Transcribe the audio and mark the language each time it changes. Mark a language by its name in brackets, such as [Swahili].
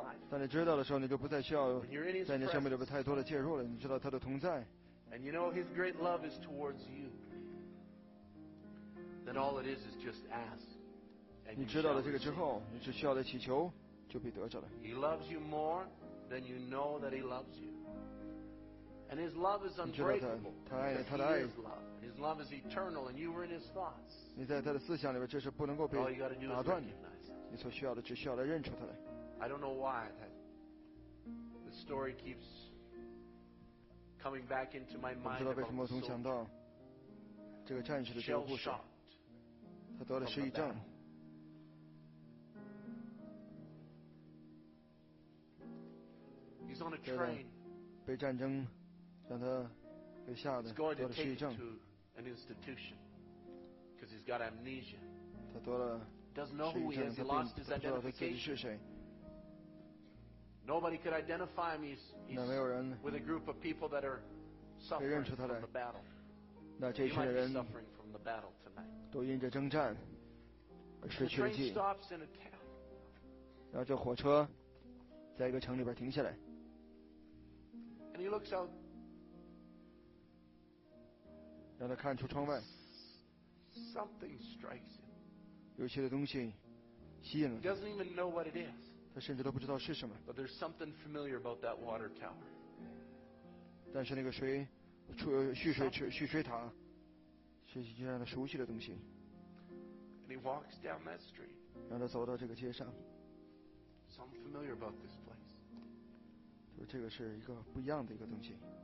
[Chinese] 当你知道的时候，你就不再需要在你生命里边太多的介入了。你知道他的同在。 [English] And you know his great love is towards you. That all it is just ask. [Chinese] 你知道了这个之后，你只需要来祈求，就必得着了。 [English] He loves you more than you know that he loves you. And his love is unbreakable. He is love. His love is eternal, and you were in his thoughts. [Chinese] 你在他的思想里边，这是不能够被打断的。你所需要的，只需要来认出他来。 [English] I don't know why that the story keeps coming back into my mind. [Chinese] 不知道为什么我总想到这个战士的这个故事。他得了失忆症。 [English] He's on a train. [Chinese] 被战争让他给吓得得了失忆症。 [English] He's going to take him to an institution because he's got amnesia. [Chinese] 他得了失忆症，他并不知道他自己是谁。 [English] Nobody could identify him. He's with a group of people that are suffering from the battle. He might be suffering from the battle tonight. [Chinese] 都因着征战而失去了记忆。 [English] The train stops in a town. [Chinese] 然后这火车在一个城里边停下来。 [English] And he looks out [Chinese] 让他看出窗外。 [English] Something strikes him. [Chinese] 有些的东西吸引了他。 [English] He doesn't even know what it is. [Chinese] 他甚至都不知道是什么。 [English] But there's something familiar about that water tower. [Chinese] 但是那个水蓄水塔，是一件让他熟悉的东西。 [English] And he walks down that street. [Chinese] 让他走到这个街上。 [English] Something familiar about this place. [Chinese] 就这个是一个不一样的一个东西。